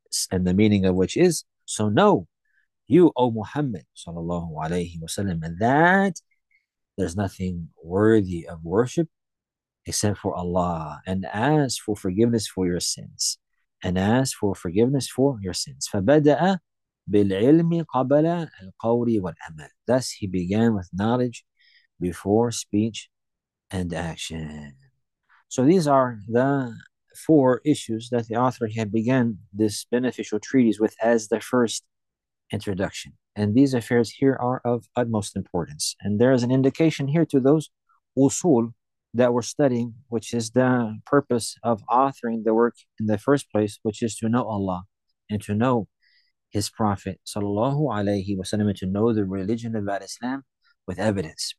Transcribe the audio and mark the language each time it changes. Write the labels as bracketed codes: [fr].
[en] And the meaning of which is, so know, you, O Muhammad, sallallahu alayhi wa sallam, that there's nothing worthy of worship except for Allah, and ask for forgiveness for your sins. And ask for forgiveness for your sins. [ar] فبدأ بالعلم قبل القول والعمل. [en] Thus he began with knowledge before speech and action. So these are the four issues that the author had began this beneficial treatise with as the first introduction. And these affairs here are of utmost importance. And there is an indication here to those usul that we're studying, which is the purpose of authoring the work in the first place, which is to know Allah and to know His Prophet sallallahu alayhi wasallam, and to know the religion of Islam with evidence.